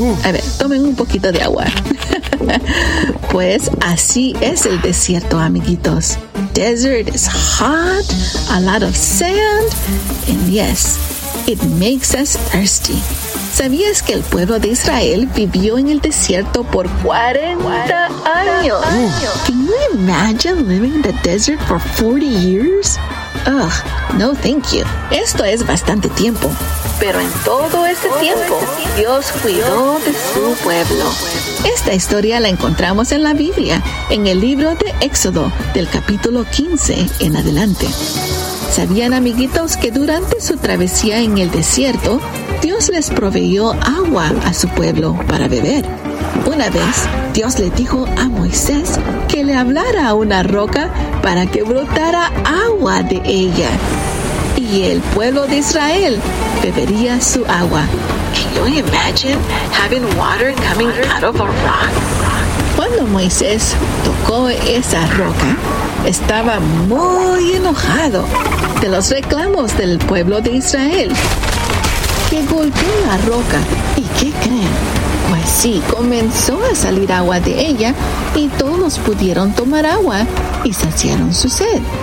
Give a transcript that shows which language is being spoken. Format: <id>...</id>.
<es>A ver, tomen un poquito de agua. Pues así es el desierto, amiguitos.</es> <en>Desert is hot, a lot of sand, and yes, it makes us thirsty.</en> <es>¿Sabías que el pueblo de Israel vivió en el desierto por 40 años?</es> <en>Can you imagine living in the desert for 40 years? Ugh, no thank you.</en> <es>Esto es bastante tiempo. Pero en todo ese tiempo, Dios cuidó de su pueblo. Esta historia la encontramos en la Biblia, en el libro de Éxodo, del capítulo 15 en adelante. ¿Sabían, amiguitos, que durante su travesía en el desierto, Dios les proveyó agua a su pueblo para beber? Una vez, Dios le dijo a Moisés que le hablara a una roca para que brotara agua de ella. Y el pueblo de Israel bebería su agua.</es> <en>Can you imagine having water coming out of a rock?</en> <es>Cuando Moisés tocó esa roca, estaba muy enojado de los reclamos del pueblo de Israel, que golpeó la roca. ¿Y qué creen? Pues sí, comenzó a salir agua de ella y todos pudieron tomar agua y saciaron su sed.</es>